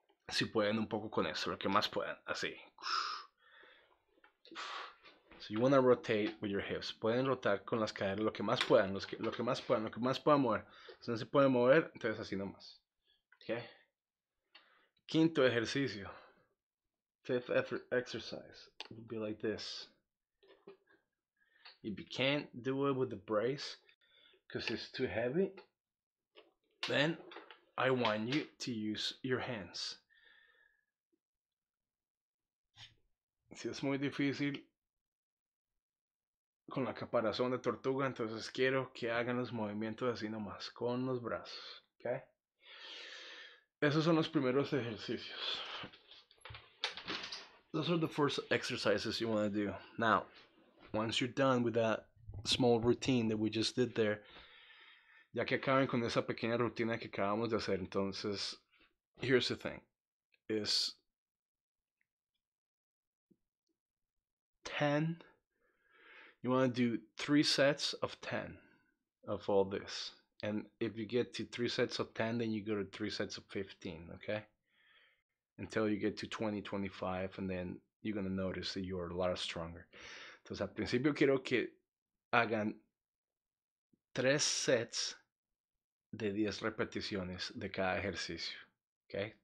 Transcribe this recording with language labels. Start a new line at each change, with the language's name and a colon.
Spanish: Si pueden un poco con eso, lo que más puedan, así.
English: So you want to rotate with your hips.
Spanish: Pueden rotar con las caderas lo que más puedan, lo que más puedan mover. Si no se pueden mover, entonces así nomás.
English: Okay.
Spanish: Quinto ejercicio.
English: Fifth effort exercise. It would be like this. If you can't do it with the brace because it's too heavy, then I want you to use your hands.
Spanish: Si es muy difícil con la caparazón de tortuga, entonces quiero que hagan los movimientos así nomás, con los brazos, okay? Esos son los primeros ejercicios.
English: Those are the first exercises you want to do. Now, once you're done with that small routine that we just did there,
Spanish: ya que acaben con esa pequeña rutina que acabamos de hacer, entonces,
English: here's the thing, is 10, you want to do 3 sets of 10 of all this. And if you get to 3 sets of 10, then you go to 3 sets of 15, okay? Until you get to 20, 25, and then you're going to notice that you're a lot stronger.
Spanish: Entonces, al principio quiero que hagan 3 sets de 10 repeticiones de cada ejercicio, okay?